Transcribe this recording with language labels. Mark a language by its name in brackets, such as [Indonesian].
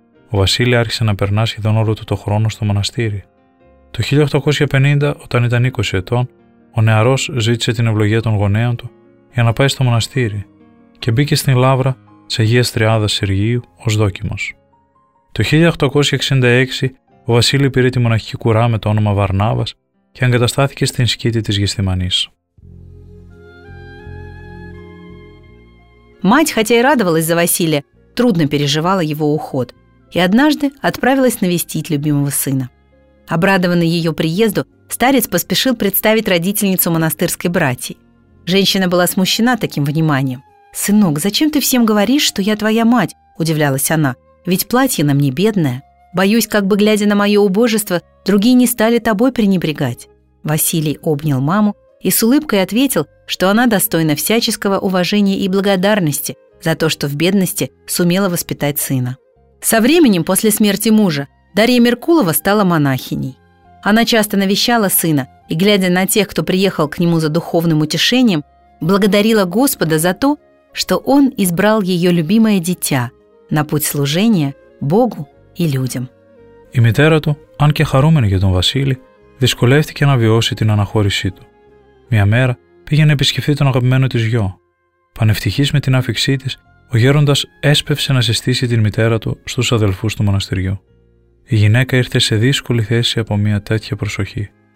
[Greek] Ο Βασίλη άρχισε να περνά σχεδόν όλο του το χρόνο στο μοναστήρι. Το 1850, όταν ήταν 20 ετών, ο νεαρός ζήτησε την ευλογία των γονέων του για να πάει στο μοναστήρι και μπήκε στην λαύρα της Αγίας Τριάδας Σεργίου ως δόκιμος. Το 1866 ο Βασίλη πήρε τη μοναχική κουρά με το όνομα Βαρνάβας και εγκαταστάθηκε στην σκήτη της Γεσθημανής. [Russian] Мать, хотя и радовалась за Василия, трудно переживала его уход и однажды отправилась навестить любимого сына. Обрадованный ее приезду, старец поспешил представить родительницу монастырской братии. Женщина была смущена таким вниманием. «Сынок, зачем ты всем говоришь, что я твоя мать?» – удивлялась она. «Ведь платье на мне бедное. Боюсь, как бы, глядя на мое убожество, другие не стали тобой пренебрегать». Василий обнял маму и с улыбкой ответил, что она достойна всяческого уважения и благодарности за то, что в бедности сумела воспитать сына. Со временем, после смерти мужа, Дарья Меркулова стала монахиней. Она часто навещала сына и, глядя на тех, кто приехал к нему за духовным утешением, благодарила Господа за то, что он избрал ее любимое дитя на путь служения Богу и людям. [Greek] Η μητέρα του, αν και χαρούμενη για τον Βασίλη, δυσκολεύτηκε να βιώσει την αναχώρησή του. Μια μέρα πήγε να επισκεφθεί τον αγαπημένο της γιο. Πανευτυχής με την άφηξή της, ο γέροντας έσπευσε να συστήσει την μητέρα του στους αδελφούς του μοναστηριού. Η γυναίκα ήρθε σε δύσκολη θέση από μια τέτοια προσοχή.